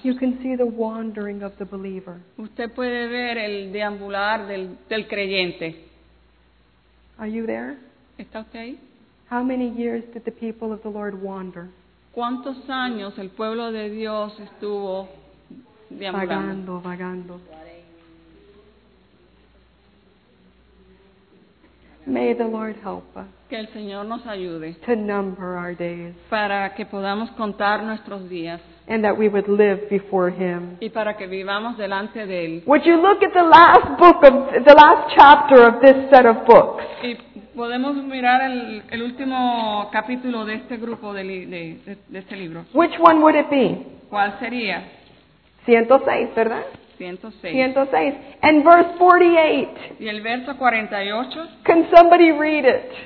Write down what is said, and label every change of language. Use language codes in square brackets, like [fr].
[en] you can see the wandering of the believer. [es] Usted puede ver el deambular del creyente. [en] Are you there? [es] ¿Está usted ahí? [en] How many years did the people of the Lord wander? [es] ¿Cuántos años el pueblo de Dios estuvo deambulando? Vagando. [en] May the Lord help us. [es] Que el Señor nos ayude. [en] To number our days. [es] Para que podamos contar nuestros días. [en] And that we would live before Him. [es] Y para que vivamos delante de Él. [en] Would you look at the last book of the last chapter of this set of books? [es] Y podemos mirar el último capítulo de este grupo de este libro. [en] Which one would it be? [es] ¿Cuál sería? 106, ¿verdad? 106. [en] And verse 48. [es] Y el verso 48. [en] Can somebody read it?